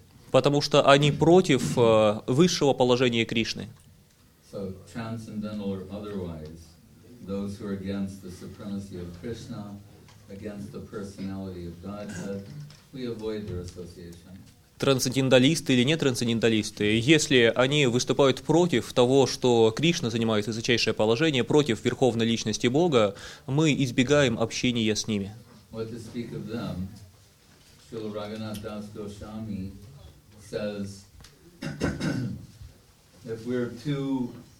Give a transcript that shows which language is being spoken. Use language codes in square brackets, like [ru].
[ru] Потому что они против высшего положения Кришны. [en] So, transcendental or otherwise, those who are against the supremacy of Krishna, against the personality of Godhead, we avoid their association. [ru] Трансценденталисты или не трансценденталисты, если они выступают против того, что Кришна занимает высочайшее положение, против верховной личности Бога, мы избегаем общения с ними. [en] What to speak of them? Srila Raghunath Das Goswami says, if we're too